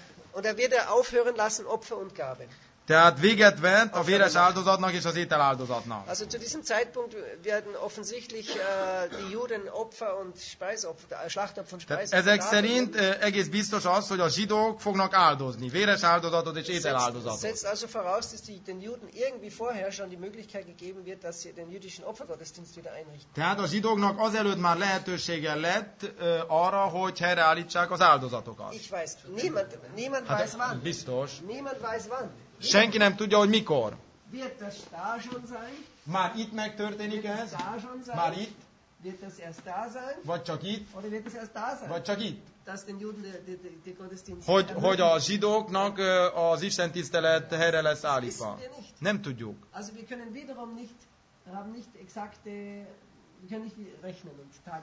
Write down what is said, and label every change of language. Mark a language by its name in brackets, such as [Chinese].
[German] Oder wird er aufhören lassen Opfer und Gabe? [Hungarian] Tehát véget vett a véres áldozatnak és az étel áldozatnak. [German] Also zu diesem Zeitpunkt werden offensichtlich die Juden Opfer und Speiseopfer, Schlachtopfer und Speiseopfer. [Hungarian] Ezek szerint egész biztos az, hogy a zsidók fognak áldozni, véres áldozatot és étel áldozatot. [German] Setzt also voraus, dass die den Juden irgendwie vorher schon die Möglichkeit gegeben wird, dass sie den jüdischen Opfergottesdienst wieder einrichten. [Hungarian] Tehát a zsidóknak azelőtt már lehetősége lett arra, hogy helyreállítsák az áldozatokat. [German] Ich weiß, niemand hát weiß wann. [Hungarian] Biztos. [German] Niemand weiß wann. [Hungarian] Senki nem tudja, hogy mikor. [German] Wird das da schon sein? [Hungarian] Már itt megtörténik [German] wird [Hungarian] ez? [German] Da schon sein? [Hungarian] Már itt? [German] Wird das erst da sein? [Hungarian] Vagy csak itt? [German] Oder wird das erst da sein? [Hungarian] Vagy csak itt? [German] Dass den Juden die Gottesdienst [Hungarian] hogy a zsidóknak az istentisztelet helyre lesz állítva. Nem tudjuk. [German] Also wir können wiederum nicht, haben nicht exakte, wir können nicht rechnen und Tage